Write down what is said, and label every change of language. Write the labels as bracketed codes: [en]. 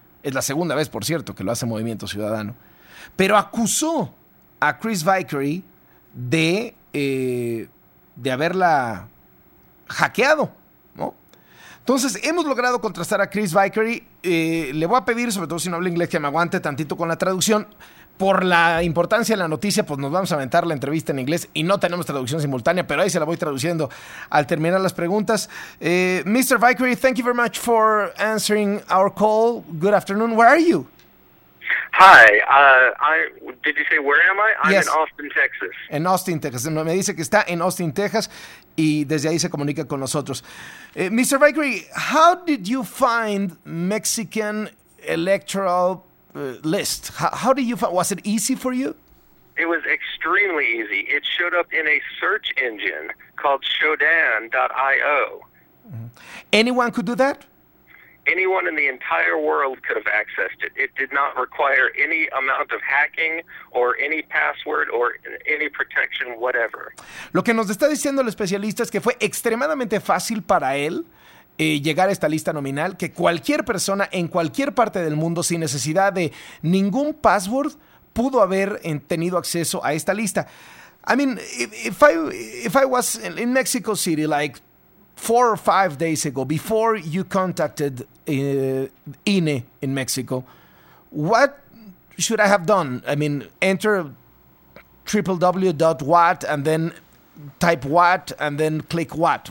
[es] Es la segunda vez, por cierto, que lo hace Movimiento Ciudadano. Pero acusó a Chris Vickery de haberla hackeado, ¿no? Entonces, hemos logrado contrastar a Chris Vickery. Le voy a pedir, sobre todo si no habla inglés, que me aguante tantito con la traducción. Por la importancia de la noticia, pues nos vamos a aventar la entrevista en inglés y no tenemos traducción simultánea, pero ahí se la voy traduciendo al terminar las preguntas. [en] Mr. Vickery, thank you very much for answering our call. Good afternoon. Where are you? Hi. Did you say where am I? Yes. I'm in Austin, Texas. [es] En Austin, Texas. Me dice que está en Austin, Texas, y desde ahí se comunica con nosotros. [en] Mr. Vickery, how did you find Mexican electoral list? How do you find, was it easy for you? It was extremely easy. It showed up in a search engine called Shodan.io. Anyone could do that? Anyone in the entire world could have accessed it. It did not require any amount of hacking or any password or any protection whatever. [es] Lo que nos está diciendo el especialista es que fue extremadamente fácil para él llegar a esta lista nominal, que cualquier persona en cualquier parte del mundo, sin necesidad de ningún password, pudo haber tenido acceso a esta lista. [en] I mean, if I was in Mexico City like 4 or 5 days ago, before you contacted INE in Mexico, what should I have done? I mean, enter www.what and then type what and then click what?